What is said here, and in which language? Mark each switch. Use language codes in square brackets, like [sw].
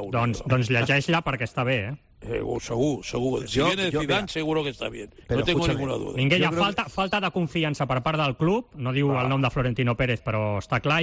[ca] Doncs llegeix-la perquè està bé, eh? Segur. [es] Si viene de Zidane, seguro que está bien. Pero no tengo ninguna duda. [ca] Minguella, falta de confiança per part del club. No diu el nom de Florentino Pérez, però està clar.